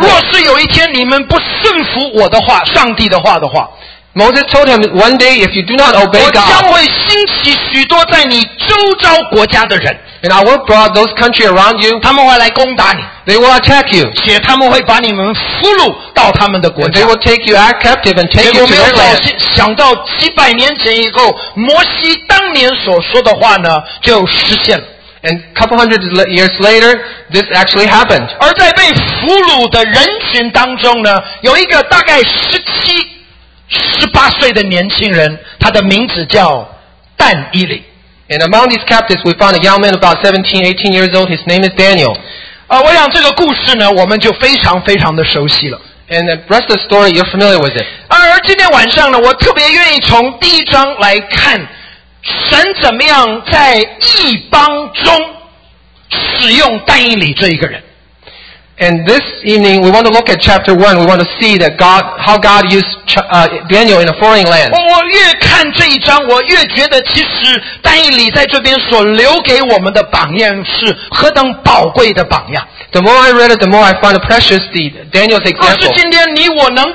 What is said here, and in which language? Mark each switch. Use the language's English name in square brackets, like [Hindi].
[Chinese] 若是有一天你们不顺服我的话, 上帝的话的话, [English] Moses told him, one day if you do not obey God, [Chinese] 我将会兴起许多在你周遭国家的人。 [English] And I will brought those countries around you. [Chinese] 他们会来攻打你。 [English] They will attack you. [Chinese] 且他们会把你们俘虏到他们的国家。 [English] And they will take you out captive and take you to their land. [Chinese] 结果没有想到几百年前以后, 摩西当年所说的话呢, 就实现了。 [English] And a couple hundred years later, this actually happened. [Chinese] 而在被俘虏的人群当中呢, 有一个大概17, 18岁的年轻人, 他的名字叫但以理。 [English] And among these captives, we found a young man about 17, 18 years old. His name is Daniel. [Chinese] 我想这个故事呢, 我们就非常非常的熟悉了。 [English] And the rest of the story, you're familiar with it. [Chinese] 而今天晚上呢, 我特别愿意从第一章来看, 神怎么样在异邦中使用但以理这一个人。 [English] And this evening, we want to look at chapter 1. We want to see that God, how God used Daniel in a foreign land. [Chinese] 我越看这一章, 我越觉得其实但以理在这边所留给我们的榜样是何等宝贵的榜样。 [English] The more I read it, the more I find it precious, Daniel's example.